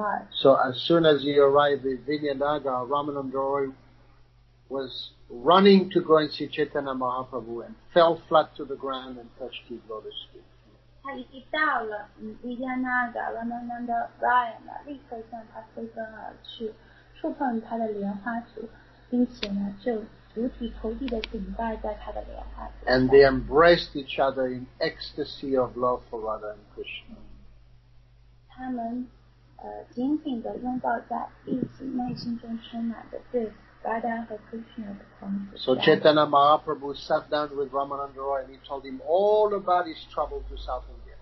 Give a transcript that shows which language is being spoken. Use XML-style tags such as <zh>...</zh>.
<en>So as soon as he arrived in Vidyanagara, Ramananda Roy was running to go and see Chaitanya Mahaprabhu and fell flat to the ground and touched his lotus feet.</en> <zh>他一到了维也纳的拉曼南达拉雅，立刻向他飞奔而去，触碰他的莲花足，并且呢，就五体投地的顶拜在他的莲花足。</zh> <en>And they embraced each other in ecstasy of love for Radha and Krishna.</en> <zh>他们紧紧地拥抱在一起，内心中充满着对 Radha 和 Krishna 的狂喜。</zh> <en>So Chaitanya Mahaprabhu sat down with Ramananda Roy and he told him all about his trouble to South India.</en>